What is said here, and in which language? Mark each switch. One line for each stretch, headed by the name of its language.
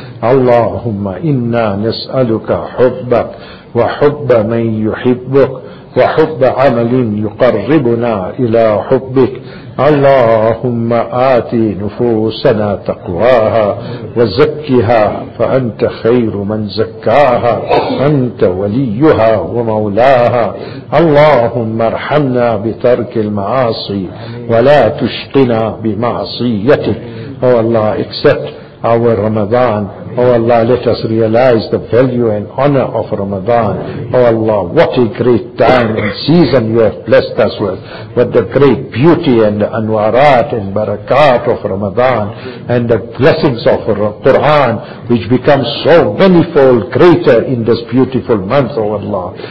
Arabic: اللهم إنا نسألك حبك وحب من يحبك وحب عمل يقربنا إلى حبك. اللهم آت نفوسنا تقواها وزكها فأنت خير من زكاها، أنت وليها ومولاها. اللهم ارحمنا بترك المعاصي ولا تشقنا بمعصيتك.
English: Oh Allah, accept our Ramadan Oh Allah, let us realize the value and honor of Ramadan. Oh Allah, what a great time and season you have blessed us with. But the great beauty and the anwarat and barakat of Ramadan and the blessings of Quran, which become so manifold greater in this beautiful month, oh Allah.